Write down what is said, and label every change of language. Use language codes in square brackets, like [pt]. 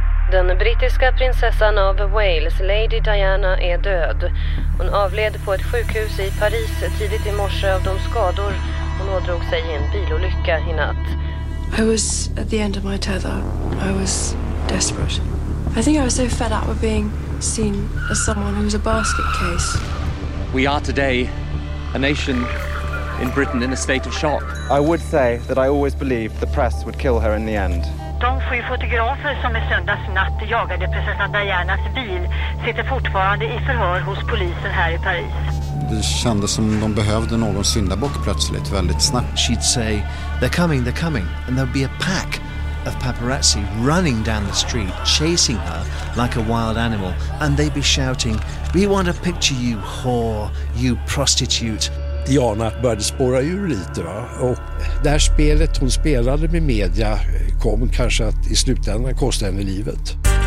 [sv] Den brittiska prinsessan av Wales, Lady Diana, är död. Hon avled på ett sjukhus i Paris tidigt i morse av de skador hon ådrog sig i en bilolycka i natt. [en] I was at the end of my tether. I was desperate. I think I was so fed up with being seen as someone who was a basket case. We are today a nation in Britain in a state of shock. I would say that I always believed the press would kill her in the end. [sv] De sju fotografer som i söndags natt jagade prinsessan Dianas bil sitter fortfarande i förhör hos polisen här i Paris. Det kändes som de behövde någon syndabock plötsligt väldigt snabbt. [en] She'd say, they're coming, and there'd be a pack of paparazzi running down the street, chasing her like a wild animal, and they'd be shouting, we want a picture, you whore, you prostitute. [sv] Diana började spåra ur lite, va? Och det här spelet hon spelade med media kom kanske att i slutändan kosta henne livet.